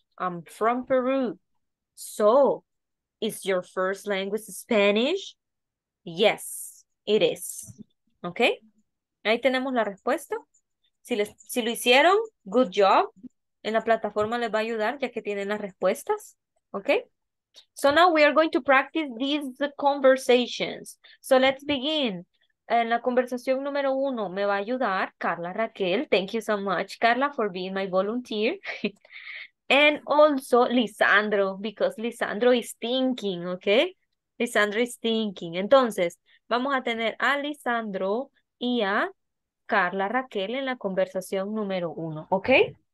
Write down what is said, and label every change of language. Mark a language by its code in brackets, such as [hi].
[en] I'm from Peru. So, is your first language Spanish? Yes, it is. Okay? [es] Ahí tenemos la respuesta. Si lo hicieron, [en] good job. [es] En la plataforma les va a ayudar ya que tienen las respuestas. Okay? [en] So now we are going to practice these conversations. So let's begin. [es] En la conversación número 1 me va a ayudar Carla Raquel. [en] Thank you so much, Carla, for being my volunteer. And also Lisandro, because Lisandro is thinking, okay? Lisandro is thinking. [es] Entonces, vamos a tener a Lisandro y a Carla Raquel en la conversación número 1, okay?